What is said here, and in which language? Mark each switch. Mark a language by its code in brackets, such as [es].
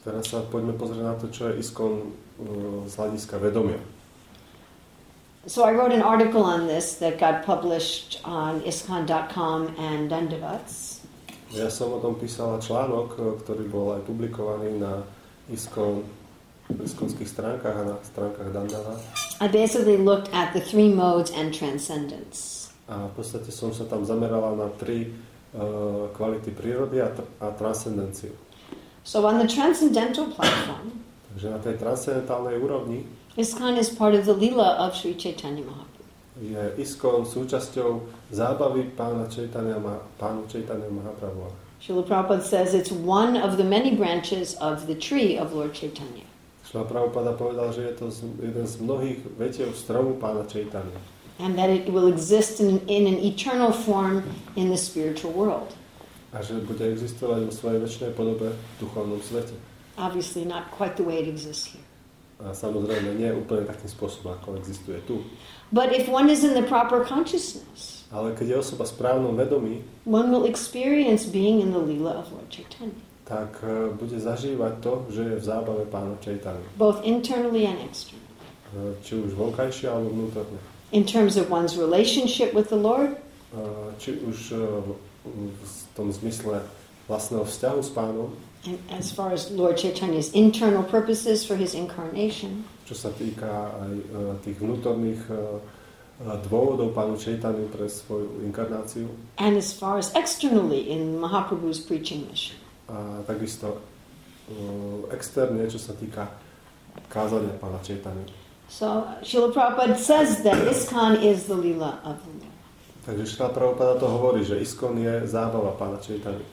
[sk] Teraz sa poďme pozrieť na to, čo je ISKCON z hľadiska vedomia. [en] So I wrote an article on this that got published on iskcon.com and Dandavats. [sk] Ja som o tom písala článok, ktorý bol aj publikovaný na ISKCON, iskonských stránkach a na stránkach Dandavat. [en] I basically looked at the three modes and transcendence. [sk] A v podstate som sa tam zamerala na tri kvality prírody a transcendenciu. [en] So on the transcendental platform. [sk] Takže na tej transcendentálnej úrovni [en] ISKCON is part of the lila of Sri Chaitanya Mahaprabhu. [sk] Je ISKCON súčasťou zábavy pána Chaitanya Mahaprabhu. [en] Srila Prabhupada says it's one of the many branches of the tree of Lord Chaitanya. [sk] Srila Prabhupada povedal, že je to jeden z mnohých vetiev stromu pána Chaitanya. [en] And that it will exist in an eternal form in the spiritual world. [sk] A že bude existovať vo svojej večnej podobe v duchovnom svete. [en] Obviously not quite the way it exists here. [sk] A samozrejme nie úplne takým spôsobom, ako existuje tu. [en] But if one is in the proper consciousness, [sk] ale keď je osoba v správnom vedomí, [en] one will experience being in the lila of Lord Chaitanya. [sk] Tak bude zažívať to, že je v zábave pána Chaitanya. [en] Both internally and externally. [sk] či už vonkajšie alebo vnútorné. [en] In terms of one's relationship with the Lord? [sk] Či už v tom zmysle vlastného vzťahu s Pánom. [en] And as far as Lord Chaitanya's internal purposes for his incarnation. [sk] Čo sa týka aj tých vnútorných dôvodov Pánu Chaitanyu pre svoju inkarnáciu. [en] And as far as externally in Mahaprabhu's preaching mission. [sk] A takisto externe, čo sa týka kázania Pána Chaitanyu. [en] So Srila Prabhupada says that ISKCON is the lila of the Lord. [sk] Takže Srila Prabhupada to hovorí, že ISKCON je zábava Pána Chaitanyu.